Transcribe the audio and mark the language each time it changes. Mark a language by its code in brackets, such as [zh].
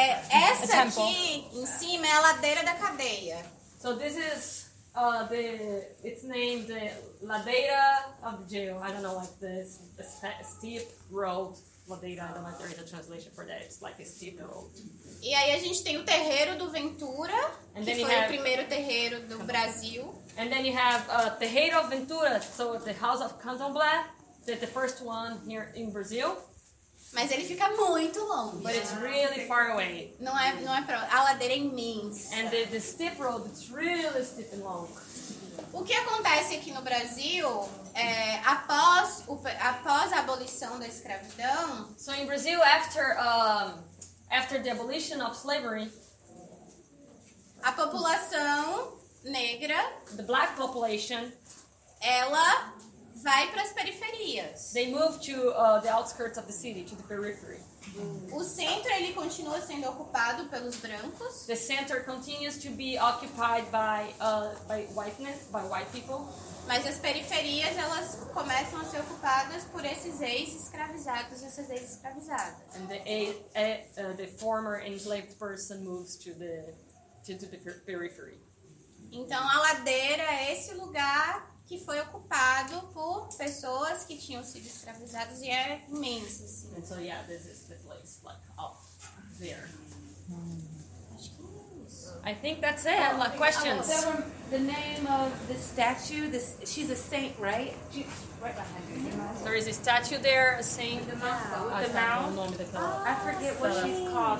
[pt] Essa aqui em cima é a ladeira da cadeia. [en] So this is it's named the ladeira of jail. I don't know, like this steep road ladeira. I don't know if there is a translation for that. It's like a steep road. [pt] E aí a gente tem o terreiro do Ventura, que foi o primeiro terreiro do Brasil. [en] And then you have terreiro of Ventura, so the house of candomblé, the first one here in Brazil. [pt] Mas ele fica muito longe. [en] But it's really far away. [pt] Não é pra, a ladeira é imensa. [en] And the steep road, it's really steep and long. [pt] O que acontece aqui no Brasil, após a abolição da escravidão... [en] So in Brazil, after the abolition of slavery... [pt] A população negra... [en] The black population... [pt] Ela... Vai para as periferias. [en] They move to the outskirts of the city, to the periphery. [pt] O centro, ele ele continua sendo ocupado pelos brancos. [en] The center continues to be occupied by white people. [pt] Mas as periferias, elas começam a ser ocupadas por esses ex-escravizados, essas ex-escravizadas. [en] And the former enslaved person moves to the periphery. [pt] Então, a ladeira é esse lugar que foi ocupado por pessoas que tinham sido escravizadas e é imenso, assim. [en] And so, yeah, this is the place, like, up there. I think that's it. Questions. The name of the statue. She's a saint, right? Right behind you. There is a statue there, a saint. The mouth. I forget what she's called.